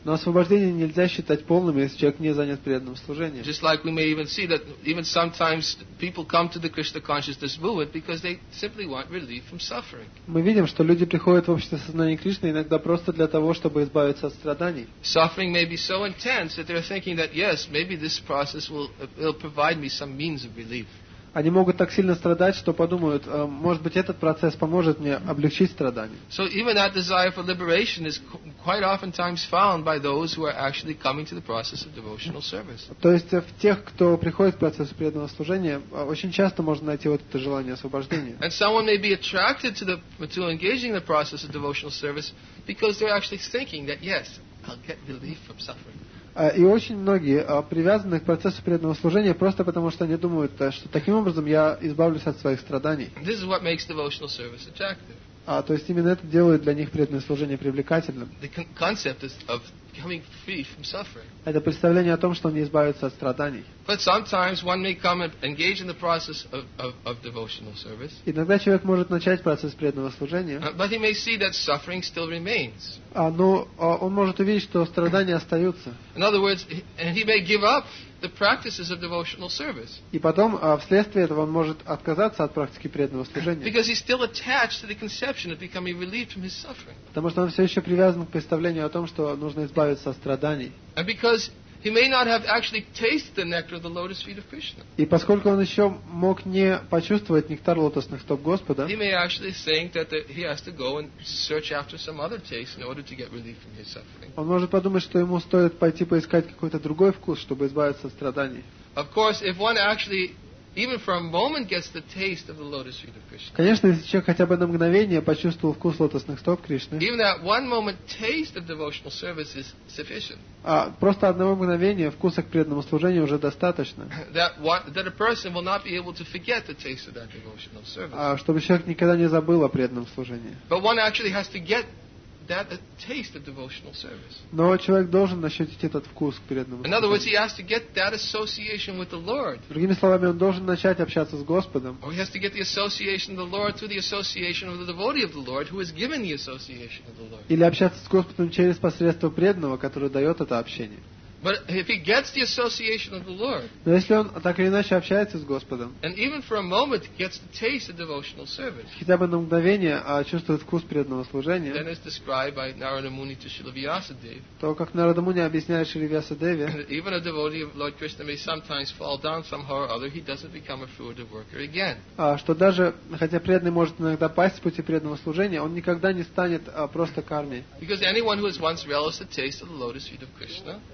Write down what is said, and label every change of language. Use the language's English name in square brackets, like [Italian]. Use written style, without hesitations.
[Russian] Но освобождение нельзя считать полным, если человек не занят преданным служением. [English] Just like we may even see that even sometimes people come to the Krishna consciousness movement because they simply want relief from suffering. [Russian] Мы видим, что люди приходят в общество сознания Кришны иногда просто для того, чтобы избавиться от страданий. [English] Suffering may be so intense that they're thinking that yes, maybe this process will provide me some means of relief. [Russian] Они могут так сильно страдать, что подумают, может быть, этот процесс поможет мне облегчить страдания. [English] So even that desire for liberation is quite oftentimes found by those who are actually coming to the process of devotional service. [Russian] То есть в тех, кто приходит к процессу преданного служения, очень часто можно найти вот это желание освобождения. [English] And someone may be attracted to engaging in the process of devotional service because they're actually thinking that yes, I'll get relief from suffering. [Russian] И очень многие привязаны к процессу преданного служения просто потому, что они думают, что таким образом я избавлюсь от своих страданий. [English] This is what makes devotional service attractive. [Russian] То есть именно это делает для них преданное служение привлекательным. [English] The concept is of coming free from suffering. [Russian] Это представление о том, что они избавятся от страданий. [English] But sometimes one may come and engage in the process of devotional service. [Russian] Иногда человек может начать процесс преданного служения. [English] But he may see that suffering still remains. [Russian] Он может увидеть, что страдания остаются. [English] In other words, and he may give up the practices of devotional service. [Russian] И потом, вследствие этого, он может отказаться от практики преданного служения. [English] Because he's still attached to the conception of becoming relieved from his suffering. [Russian] Потому что он все еще привязан к представлению о том, что нужно избавиться от страданий. [English] And because he may not have actually tasted the nectar of the lotus feet of Krishna. [Russian] И поскольку он еще мог не почувствовать нектар лотосных стоп Господа, [English] he may actually think that he has to go and search after some other taste in order to get relief from his suffering. [Russian] Он может подумать, что ему стоит пойти поискать какой-то другой вкус, чтобы избавиться от страданий. [English] Of course, if one actually even for a moment gets the taste of the lotus feet of Krishna. [Russian] Конечно, если человек хотя бы на мгновение почувствовал вкус лотосных стоп Кришны. [English] Even that one moment taste of devotional service is sufficient. [Russian] Просто одного мгновения вкуса к преданному служению уже достаточно. [English] That a person will not be able to forget the taste of that devotional service. [Russian] Чтобы человек никогда не забыл о преданном служении. [English] But one actually has to get that a taste of devotional service. [Russian] Но человек должен ощутить этот вкус к преданному. [English] In other words, he has to get that association with the Lord. [Russian] Другими словами, он должен начать общаться с Господом. [English] Or he has to get the association of the Lord through the association of the devotee of the Lord, who has given the association of the Lord. [Russian] Или общаться с Господом через посредство преданного, который дает это общение. [English] But if he gets the association of the Lord, [Russian] но если он так или иначе общается с Господом, [English] and even for a moment gets the taste of devotional service, [Russian] хотя бы на мгновение чувствует вкус преданного служения, [English] then it's described by Narada Muni to Srila Vyasadeva, [Russian] то как Нарада Муни объясняет Шри Вьясадеве, [English] even a devotee of Lord Krishna may sometimes fall down somehow or other, he doesn't become a fruitive worker again. [Russian] Что даже хотя преданный может иногда пасть в пути преданного служения, он никогда не станет просто карми. [English] Because anyone who has once relished the taste of the lotus feet of Krishna,